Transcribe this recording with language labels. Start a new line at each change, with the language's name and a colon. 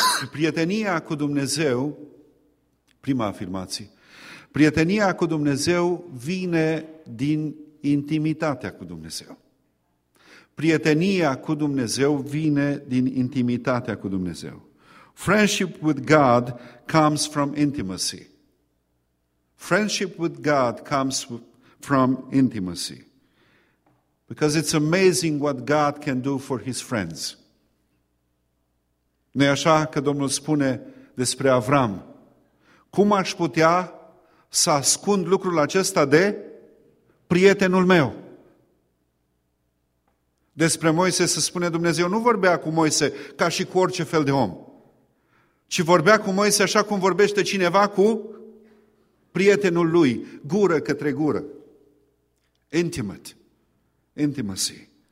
Romanian: Prietenia cu Dumnezeu, prima afirmație, prietenia cu Dumnezeu vine din intimitatea cu Dumnezeu. Prietenia cu Dumnezeu vine din intimitatea cu Dumnezeu.
English: Friendship with God comes from intimacy. Friendship with God comes from intimacy. Because it's amazing what God can do for His friends.
Romanian: Nu-i așa că Domnul spune despre Avram? Cum aș putea să ascund lucrul acesta de prietenul meu? Despre Moise se spune, Dumnezeu nu vorbea cu Moise ca și cu orice fel de om, ci vorbea cu Moise așa cum vorbește cineva cu prietenul lui, gură către gură.
English: Intimate. Intimacy.